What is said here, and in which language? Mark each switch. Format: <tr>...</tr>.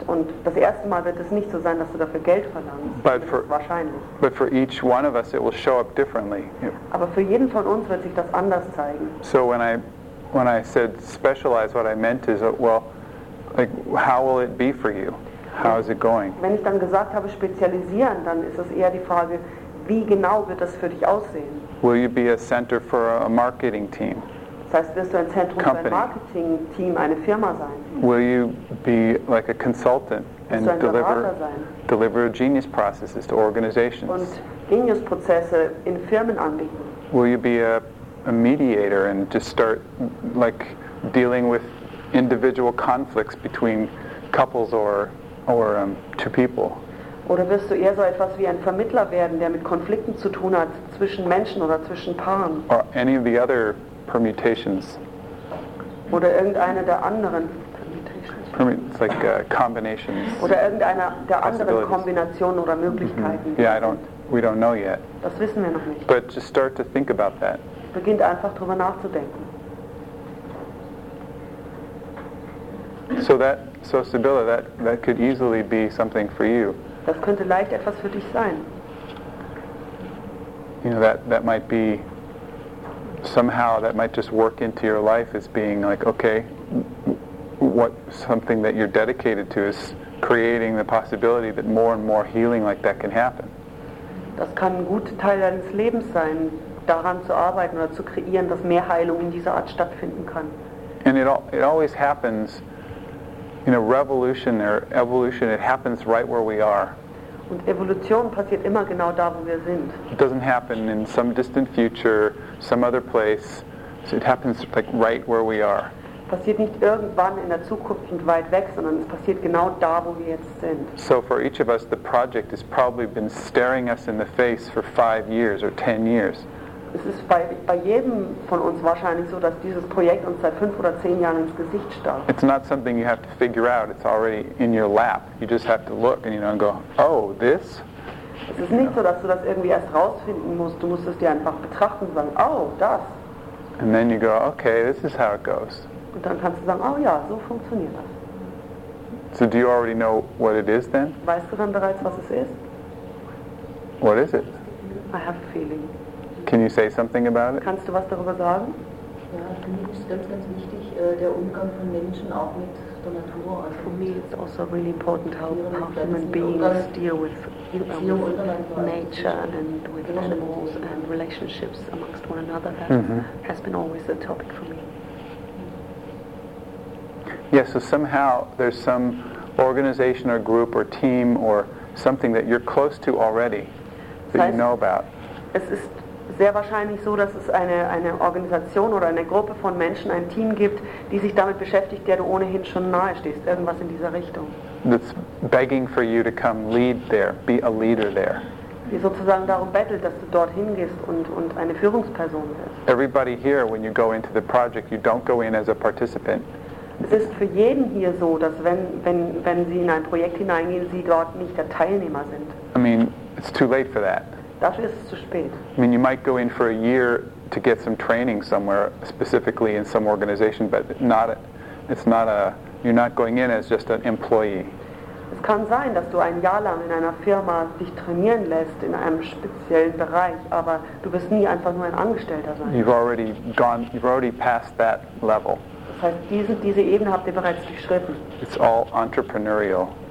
<de>Und das erste Mal wird es nicht so sein, dass du dafür Geld verlangst. Wahrscheinlich.</de> <en>But for each one of us, it will show up differently.</en> <de>Aber für jeden von uns wird sich das anders zeigen.</de> <en>So when I said specialize, what I meant is, well, like, how will it be for you? How is it going?</en> <de>Wenn ich dann gesagt habe, spezialisieren, dann ist es eher die Frage, wie genau wird das für dich aussehen?</de> <en>Will you be a center for a marketing team?</en> <de>Das heißt, wirst du ein Zentrum</de> <en>Company.</en> <de>Für ein Marketing-Team, eine Firma sein?</de> <en>Will you be like a consultant and deliver genius processes to organizations?</en> <de>Und Genius-Prozesse in Firmen anbieten?</de> <en>Will you be a mediator and just start like dealing with individual conflicts between couples or two people?</en> <de>Oder wirst du eher so etwas wie ein Vermittler werden, der mit Konflikten zu tun hat zwischen Menschen oder zwischen Paaren?</de> <en>Or any of the other permutations.</en> <de>Oder irgendeine der anderen permutations.</de> <en>It's like combinations.</en> <de>Oder irgendeine der anderen Kombinationen oder Möglichkeiten.</de> <en>Mm-hmm. Yeah, we don't know yet.</en> <de>Das wissen wir noch nicht.</de> <en>But just start to think about that.</en> <de>Beginnt einfach drüber nachzudenken.</de> <en>So Sibylla, that could easily be something for you.</en> <de>Das könnte leicht etwas für dich sein.</de> <en>You know, that might be somehow that might just work into your life as being like, okay, what something that you're dedicated to is creating the possibility that more and more healing like that can happen.</en> <de>Das kann ein guter Teil deines Lebens sein, daran zu arbeiten oder zu kreieren, dass mehr Heilung in dieser Art stattfinden kann.</de> <en>And it always happens in a revolution or evolution, it happens right where we are.</en> <de>Und Evolution passiert immer genau da, wo wir sind.</de> <en>It doesn't happen in some distant future, some other place. So it happens like right where we are.</en> <de>Passiert nicht irgendwann in der Zukunft und weit weg, sondern es passiert genau da, wo wir jetzt sind.</de> <en>So for each of us, the project has probably been staring us in the face for 5 years or 10 years.</en> <de>Es ist bei jedem von uns wahrscheinlich so, dass dieses Projekt uns seit 5 oder 10 Jahren ins Gesicht starrt.</de> <en>It's not something you have to figure out. It's already in your lap. You just have to look and, you know, and go, oh, this?</en> <de>Es ist nicht so, dass du das irgendwie erst rausfinden musst. Du musst es dir einfach betrachten und sagen, oh, das.</de> <en>And then you go, okay, this is how it goes.</en> <de>Und dann kannst du sagen, oh ja, so funktioniert das.</de> <en>So do you already know what it is then?</en> <de>Weißt du dann bereits, was es ist?</de> <en>What is it? I have a feeling. Can you say something about it?</en> <de>Kannst du was darüber sagen? Ja, für mich ist ganz, ganz wichtig, der Umgang von Menschen auch mit der Natur. Also</de> <en>for me it's also really important how human beings deal with nature and with animals and relationships amongst one another. That has been always a topic for me. Yes, yeah, so somehow there's some organization or group or team or something that you're close to already that you know about.</en> <de>Es ist sehr wahrscheinlich so, dass es eine Organisation oder eine Gruppe von Menschen, ein Team gibt, die sich damit beschäftigt, der du ohnehin schon nahe stehst, irgendwas in dieser Richtung.</de> <en>That's begging for you to come lead there, be a leader there.</en> <de>Die sozusagen darum bettelt, dass du dorthin gehst und eine Führungsperson wirst.</de> <en>Everybody here, when you go into the project, you don't go in as a participant.</en> <de>Es ist für jeden hier so, dass wenn sie in ein Projekt hineingehen, sie dort nicht der Teilnehmer sind.</de> <en>I mean, it's too late for that.</en> <de>Dafür ist es zu spät.</de> <en>I mean, you might go in for a year to get some training somewhere, specifically in some organization, but you're not going in as just an employee.</en> <de>Es kann sein, dass du ein Jahr lang in einer Firma dich trainieren lässt in einem speziellen Bereich, aber du wirst nie einfach nur ein Angestellter sein.</de> <en>You've already passed that level.</en> <de>Das heißt, diese Ebene habt ihr bereits durchschritten.</de> <en>It's all entrepreneurial.</en>